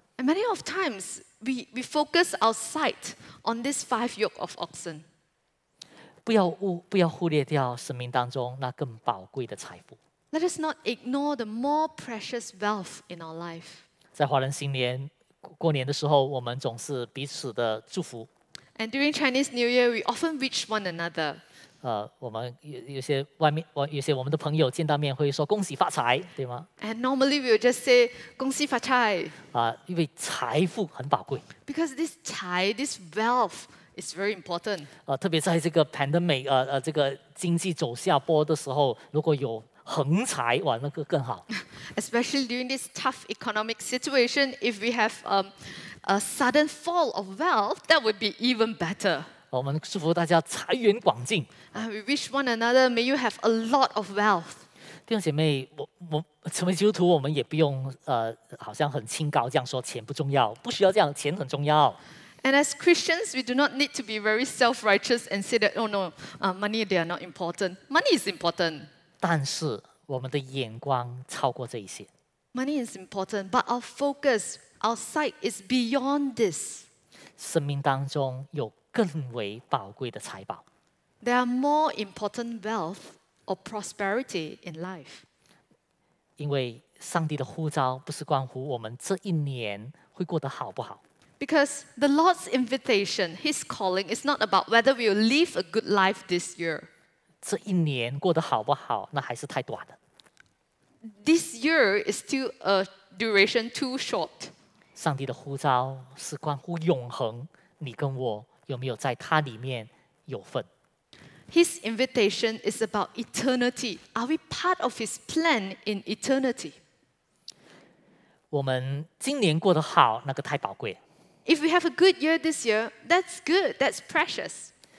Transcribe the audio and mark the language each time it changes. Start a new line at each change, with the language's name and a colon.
English: And many of times we focus our sight on this 5 yoke of oxen.
Chinese: 不要忽略掉生命当中那更宝贵的财富。
English: Let us not ignore the more precious wealth in our life.
Chinese: 在华人新年过年的时候，我们总是彼此的祝福。
English: And during Chinese New Year, we often reach one another.
Chinese: 我们有些外面，有些我们的朋友见到面会说恭喜发财，对吗？
English: And normally we'll just say
Chinese: 恭喜发财. 因为财富很宝贵。
English: Because this 财, this wealth is very important.
Chinese: 特别在这个 pandemic, 这个经济走下坡的时候，如果有 横财, 哇, 那个更好。
English: Especially during this tough economic situation, if we have a sudden fall of wealth, that would be even better.
Chinese: 我们祝福大家财源广进。
English: We wish one another, may you have a lot of wealth.
Chinese: 弟兄姐妹, 我成为基督徒, 我们也不用, 好像很清高这样说钱不重要, 不需要这样, 钱很重要。
English: And as Christians, we do not need to be very self-righteous and say that, oh no, money, they are not important. Money is important.
Chinese: 但是我们的眼光超过这一些。
English: Money is important, but our focus, our sight is beyond this.
Chinese: 生命当中有更为宝贵的财宝。
English: There are more important wealth or prosperity in life.
Chinese: 因为上帝的呼召不是关乎我们这一年会过得好不好。
English: Because the Lord's invitation, His calling, is not about whether we will live a good life this year.
Chinese: 这一年过得好不好, 那还是太短了。
English: This year is still a duration too short.
Chinese: 上帝的呼召是关乎永恒, 你跟我有没有在祂里面有份。
English: His invitation is about eternity. Are we part of His plan in eternity?
Chinese: 我们今年过得好, 那个太宝贵。
English: If we have a good year this year, that's good, that's precious.